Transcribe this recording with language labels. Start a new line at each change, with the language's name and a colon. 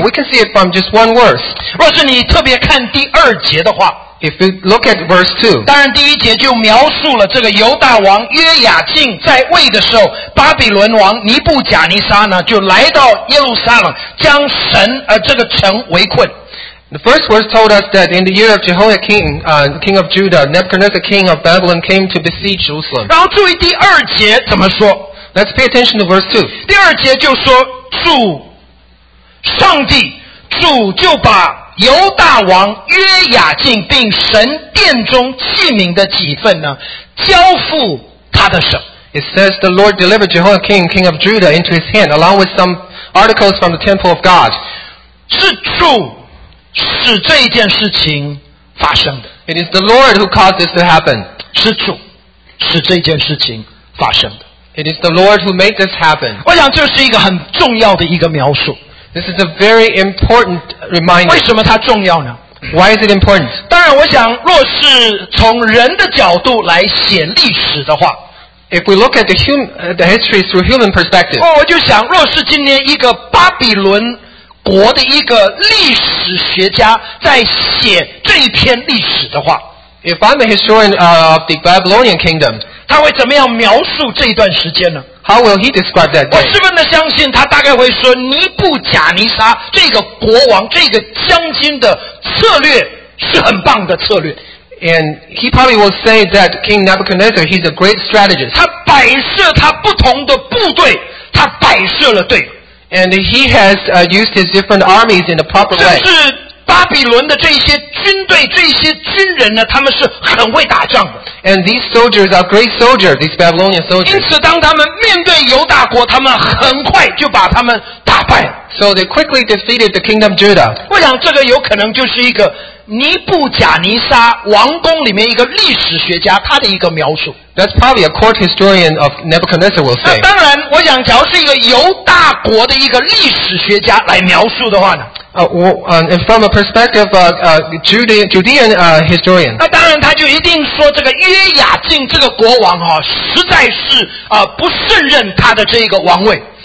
English: We can see it from just one verse.
Chinese: 若是你特别看第二节的话,
English: If you look at verse 2,
Chinese: 当然第一节就描述了这个犹大王约雅敬在位的时候, 巴比伦王尼布甲尼撒呢, 就来到耶路撒冷, 将神, 这个城围困。
English: The first verse told us that in the year of Jehoiakim, king of Judah, Nebuchadnezzar, king of Babylon, came to besiege Jerusalem.
Chinese: 然后注意第二节怎么说?
English: Let's pay attention to verse 2.
Chinese: 第二节就说, 主就把 犹大王约雅敬并神殿中器皿的几份呢，交付他的手。
English: It says the Lord delivered Jehoiakim, king of Judah, into his hand, along with some articles from the temple of God.
Chinese: 是主使这一件事情发生的。
English: It is the Lord who caused this to happen.
Chinese: 是主使这件事情发生的。
English: It is the Lord who made this happen.
Chinese: 我想这是一个很重要的一个描述。
English: This is a very important reminder.
Chinese: 为什么它重要呢？
English: Why is it important?
Chinese: 当然我想若是从人的角度来写历史的话，
English: If we look at the history through human perspective,
Chinese: 我就想若是今天一个巴比伦国的一个历史学家在写这篇历史的话，
English: If I'm a historian of the Babylonian kingdom,
Chinese: 他会怎么样描述这一段时间呢？
English: How will he describe that day?
Chinese: 我十分的相信他大概会说尼布甲尼撒这个国王这个将军的策略是很棒的策略。
English: And he probably will say that King Nebuchadnezzar, he's a great strategist.
Chinese: 他摆设他不同的部队，他摆设了队。
English: And he has used his different armies in a proper way.
Chinese: 甚至巴比伦的这些军队这些军人呢，他们是很会打仗的。
English: And these soldiers are great soldiers, these Babylonian soldiers.
Chinese: 因此当他们面对犹大国，他们很快就把他们打败了。
English: So they quickly defeated the kingdom Judah.
Chinese: 我想这个有可能就是一个尼布甲尼撒王宫里面一个历史学家他的一个描述。
English: That's probably a court historian of Nebuchadnezzar will say.
Chinese: 当然我想假如是一个犹大国的一个历史学家来描述的话呢。
English: And from a perspective of Judean historian.
Chinese: 那当然他就一定说这个约雅敬这个国王齁实在是不胜任他的这个王位。